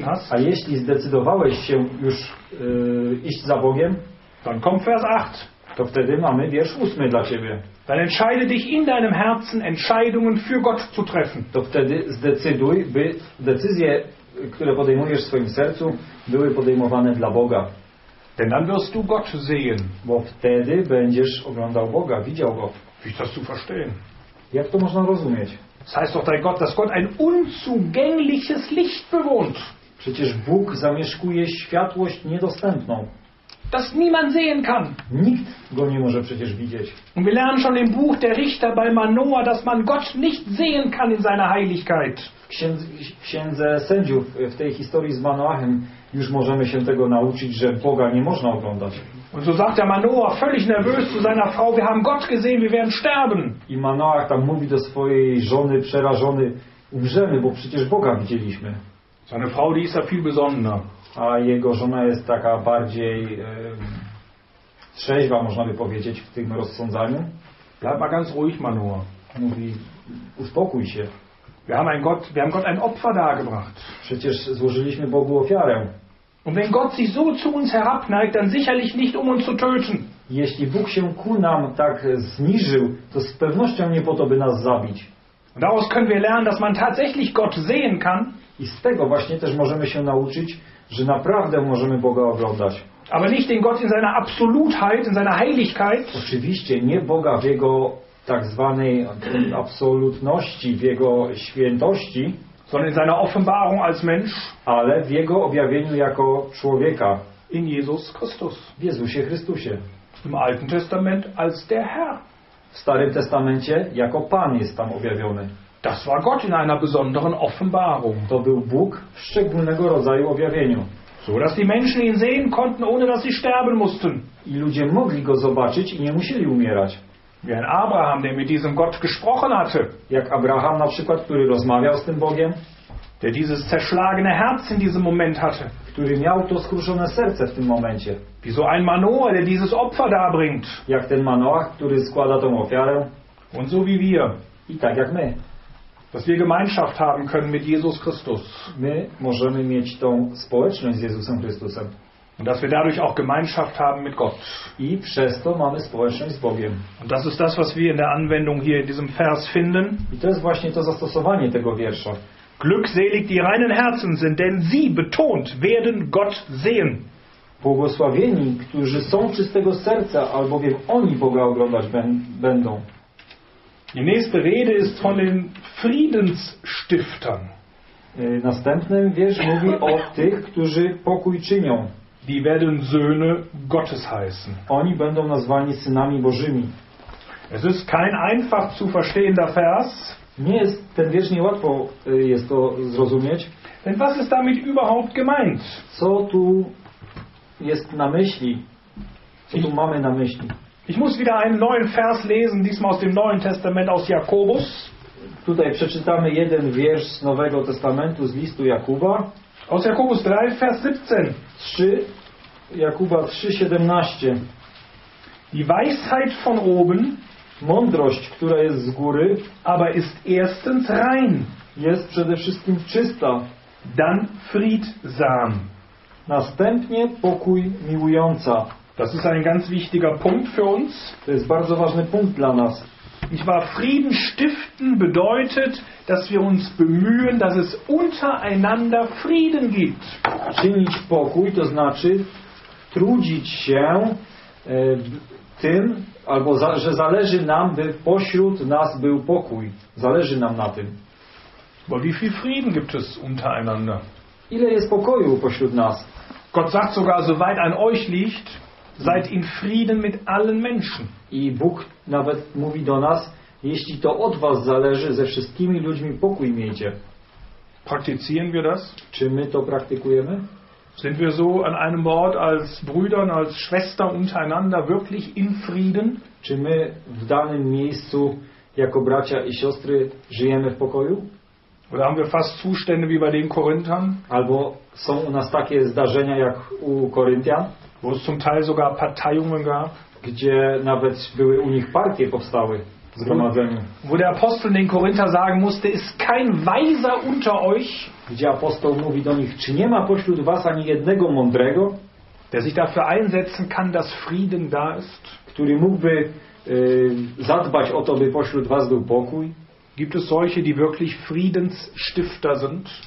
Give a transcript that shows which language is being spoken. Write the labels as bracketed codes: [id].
[pl] a jeśli zdecydowałeś się już iść za Bogiem, [de] dann kommt Vers 8. [pl] To wtedy mamy wiersz 8 dla ciebie. [de] Dann entscheide dich in deinem Herzen, Entscheidungen für Gott zu treffen. [pl] To wtedy zdecyduj, by decyzje, które podejmujesz w swoim sercu, były podejmowane dla Boga. [de] Denn dann wirst du Gott sehen. [pl] Bo wtedy będziesz oglądał Boga, widział Go. [de] Wie das zu verstehen? [pl] Jak to można rozumieć? [de] Das heißt doch, dass Gott ein unzugängliches Licht bewohnt. [pl] Przecież Bóg zamieszkuje światłość niedostępną. [de] Das niemand sehen kann. [pl] Nikt go nie może przecież widzieć. [de] Und wir lernen schon im Buch der Richter bei Manoah, dass man Gott nicht sehen kann in seiner Heiligkeit. [pl] Księdze sędziów w tej historii z Manoachem już możemy się tego nauczyć, że Boga nie można oglądać. [de] Und so sagt der Manoah völlig nervös zu seiner Frau: Wir haben Gott gesehen, wir werden sterben. [pl] I Manoach tam mówi do swojej żony przerażony: Umrzemy, bo przecież Boga widzieliśmy. [de] Seine Frau, die ist ja viel besonnener. [pl] A jego żona jest taka bardziej trzeźwa, można by powiedzieć, w tym rozsądzaniu. [de] Bleib mal ganz ruhig, Manoah. [pl] Mówi: Uspokój się. [de] Wir haben Gott ein Opfer dargebracht. [pl] Przecież złożyliśmy Bogu ofiarę. [de] Und wenn Gott sich so zu uns herabneigt, dann sicherlich nicht um uns zu töten. [pl] Jeśli Bóg się ku nam tak zniżył, to z pewnością nie po to, by nas zabić. [de] Und daraus können wir lernen, dass man tatsächlich Gott sehen kann. [pl] I z tego właśnie też możemy się nauczyć, że naprawdę możemy Boga oglądać. [de] Aber nicht den Gott in seiner Absolutheit, in seiner Heiligkeit. [pl] Oczywiście nie Boga w jego tak zwanej absolutności, w jego świętości, [de] sondern in seiner Offenbarung als Mensch, [pl] ale w jego objawieniu jako człowieka, [de] in Jesus Christus, [pl] w Jezusie Chrystusie, [de] im Alten Testament als der Herr, [pl] w Starym Testamencie jako Pan jest tam objawiony. [de] Das war Gott in einer besonderen Offenbarung. [pl] To był Bóg w szczególnego rodzaju objawieniu. [de] So, dass die Menschen ihn sehen konnten, ohne dass sie sterben mussten. [pl] I ludzie mogli go zobaczyć i nie musieli umierać. [de] Wie ein Abraham, der mit diesem Gott gesprochen hatte. [pl] Jak Abraham na przykład, który rozmawiał z tym Bogiem. [de] Der dieses zerschlagene Herz in diesem Moment hatte. [pl] Który miał to skruszone serce w tym momencie. [de] Wie so ein Manoah, der dieses Opfer darbringt. [pl] Jak ten Manoah, który składa tą ofiarę. [de] Und so wie wir. [pl] I tak jak my. [de] Dass wir Gemeinschaft haben können mit Jesus Christus. [pl] My możemy mieć tą społeczność z Jezusem Chrystusem. [de] Und dass wir dadurch auch Gemeinschaft haben mit Gott. [pl] I przez to mamy społeczność z Bogiem. [de] Und das ist das, was wir in der Anwendung hier in diesem Vers finden. [pl] I to jest właśnie to zastosowanie tego wiersza. [de] Glückselig die reinen Herzen sind, denn sie betont werden Gott sehen. [pl] Błogosławieni, którzy są czystego serca, albowiem oni Boga oglądać będą. [de] Die nächste Rede ist von den Friedensstiftern. [pl] Następny wiersz mówi o tych, którzy pokój czynią. [de] Die werden Söhne Gottes heißen. [pl] Oni będą nazwani synami Bożymi. [de] Es ist kein einfach zu verstehender Vers. [pl] Nie jest, ten wiersz nie łatwo jest to zrozumieć. [de] Denn was ist damit überhaupt gemeint? [pl] Co tu jest na myśli? Co tu mamy na myśli? [de] Ich muss wieder einen neuen Vers lesen, diesmal aus dem Neuen Testament, aus Jakobus. [pl] Tutaj przeczytamy jeden wiersz z Nowego Testamentu, z listu Jakuba. [de] Aus Jakobus 3, Vers 17. [pl] Jakuba 3, 17. [de] Die Weisheit von oben, [pl] mądrość, która jest z góry, [de] aber ist erstens rein, [pl] jest przede wszystkim czysta, [de] dann friedsam, [pl] Następnie pokój miłująca. [de] Das ist ein ganz wichtiger Punkt für uns. [pl] To jest bardzo ważny punkt dla nas. [de] Ich war Frieden stiften bedeutet, dass wir uns bemühen, dass es untereinander Frieden gibt. [pl] Czynić pokój to znaczy trudzić się tym, albo że zależy nam, by pośród nas był pokój. Zależy nam na tym. [de] Bo wie viel Frieden gibt es untereinander? [pl] Ile jest pokoju pośród nas? [de] Gott sagt sogar, soweit an euch liegt, seid in Frieden mit allen Menschen. [pl] I Bóg nawet mówi do nas, jeśli to od was zależy, ze wszystkimi ludźmi pokój miejcie. [de] Praktizieren wir das? [pl] Czy my to praktykujemy? [de] Sind wir so an einem Ort als Brüdern, als Schwestern untereinander wirklich in Frieden? [pl] Czy my w danym miejscu jako bracia i siostry żyjemy w pokoju? [de] Oder haben wir fast Zustände wie bei den Korinthern? [pl] Albo są u nas takie zdarzenia jak u Koryntian? [de] Wo es zum Teil sogar Parteiungen gab? [pl] Gdzie nawet były u nich partie powstały, zgromadzenie. [de] Wo der Apostel den Korinther sagen musste, ist kein Weiser unter euch? [pl] Gdzie apostoł mówi do nich, czy nie ma pośród was ani jednego mądrego, [de] der sich dafür einsetzen kann, dass Frieden da ist? [pl] Który mógłby zadbać o to, by pośród was był pokój? [de] Gibt es solche, die wirklich Friedensstifter sind?